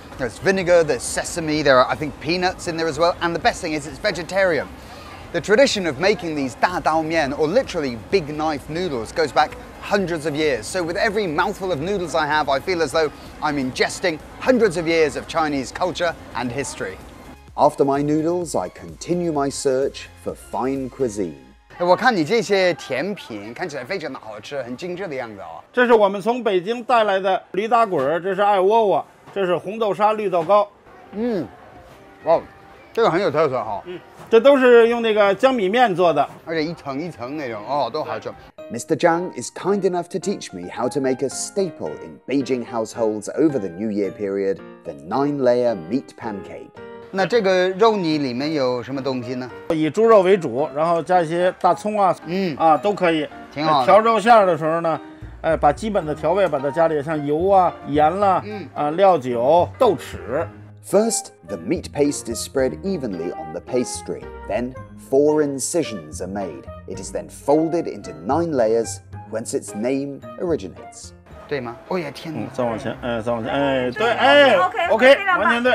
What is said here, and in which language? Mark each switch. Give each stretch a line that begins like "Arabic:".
English: There's vinegar, there's sesame, there are, I think, peanuts in there as well, and the best thing is it's vegetarian. The tradition of making these da dao mian, or literally big knife noodles, goes back hundreds of years. So with every mouthful of noodles I have, I feel as though I'm ingesting hundreds of years of Chinese culture and history. After my noodles, I continue my search for fine cuisine.
Chinese: 我看你这些甜品看起来非常的好吃，很精致的样子哦。这是我们从北京带来的驴打滚，这是艾窝窝，这是红豆沙绿豆糕。嗯，哇，这个很有特色哈、哦。嗯，这都是用那个江米面做的，而且一层一层那种，哦，都好吃。
English: Mr. Zhang is kind enough to teach me how to make a staple in Beijing households over the New Year period, the nine-layer meat pancake.
Chinese: 那这个肉泥里面有什么东西呢？以猪肉为主，然后加一些大葱啊，都可以。挺好的。调肉馅的时候呢，把基本的调味把它加里，像油啊、盐啦、料酒、豆豉。
English: First, the meat paste is spread evenly on the pastry. Then, four incisions are made. It is then folded into nine layers, whence its name originates.
Chinese: 对吗？哦呀，天哪！再往前，再往前，对，
English: OK,
Chinese: 完全对，